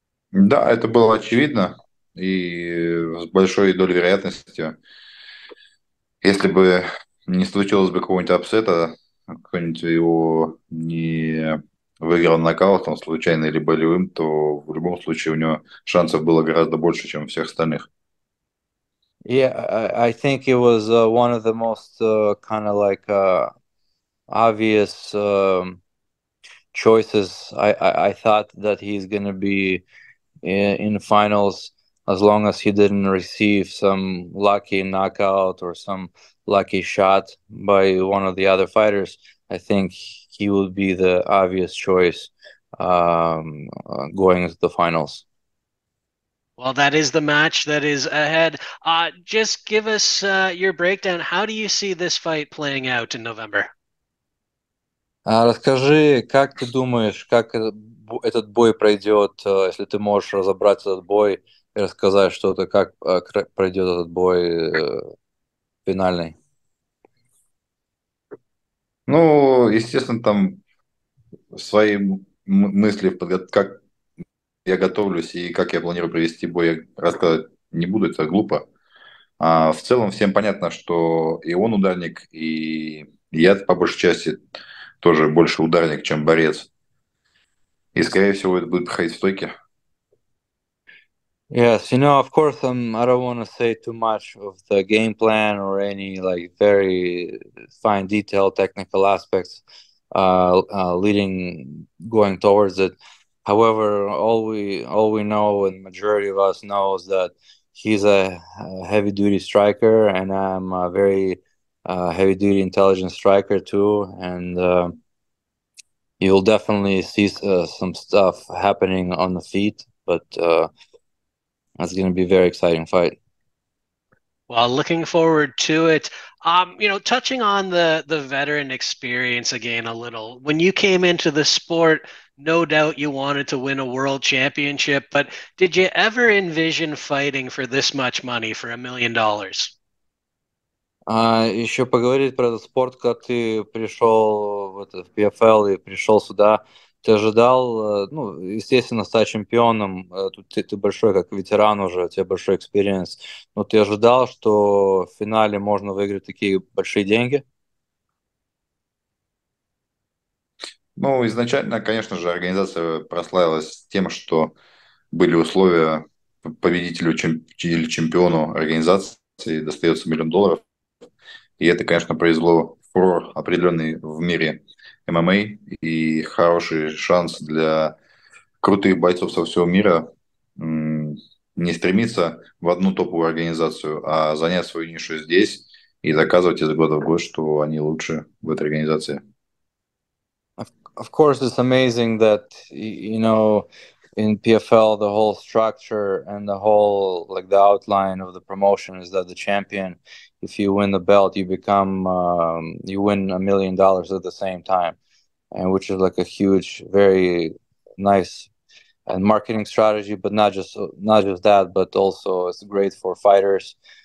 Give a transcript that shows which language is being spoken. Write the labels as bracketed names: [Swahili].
[Russian] Да, это было очевидно и с большой долей вероятности. Если бы не случилось бы какого-нибудь апсета, какой-нибудь его не выиграл нокаутом случайно или болевым, то в любом случае у него шансов было гораздо больше, чем у всех остальных. [English] Yeah, I think it was one of the most kind of like obvious choices. I thought that he's going to be in finals as long as he didn't receive some lucky knockout or some lucky shot by one of the other fighters. I think he would be the obvious choice going into the finals. Well, that is the match that is ahead. Just give us your breakdown. How do you see this fight playing out in November? [Russian] Расскажи, как ты думаешь, как этот бой пройдет, если ты можешь разобрать этот бой и рассказать что-то, как пройдет этот бой финальный? Ну, естественно, там свои мысли, как я готовлюсь и как я планирую провести бой, я рассказывать не буду, это глупо. А в целом всем понятно, что и он ударник, и я, по большей части, тоже больше ударник, чем борец. И, скорее всего, это будет проходить в стойке. [English] Yes, you know, of course, I don't want to say too much of the game plan or any like very fine detail technical aspects leading going towards it. However, all we know and majority of us know is that he's a heavy duty striker and I'm a very heavy duty intelligent striker too. And you'll definitely see some stuff happening on the feet, but that's going to be a very exciting fight. Well, looking forward to it. You know, touching on the veteran experience again a little. When you came into the sport, no doubt you wanted to win a world championship, but did you ever envision fighting for this much money, for $1 million? [Russian] Еще поговорить про этот спорт, как ты пришел в PFL и пришел сюда. Ты ожидал, ну, естественно, стать чемпионом. Тут ты большой, как ветеран уже, у тебя большой экспириенс. Но ты ожидал, что в финале можно выиграть такие большие деньги? Ну, изначально, конечно же, организация прославилась тем, что были условия победителю или чемпиону организации достается $1 million. И это, конечно, произвело фурор определенный в мире ММА и хороший шанс для крутых бойцов со всего мира не стремиться в одну топовую организацию, а занять свою нишу здесь и доказывать из года в год, что они лучше в этой организации. [English] Of course, it's amazing that, you know, in PFL, the whole structure and the whole, like, the outline of the promotion is that the champion, if you win the belt, you become, you win $1 million at the same time, and which is like a huge, very nice and marketing strategy, but not just that, but also it's great for fighters.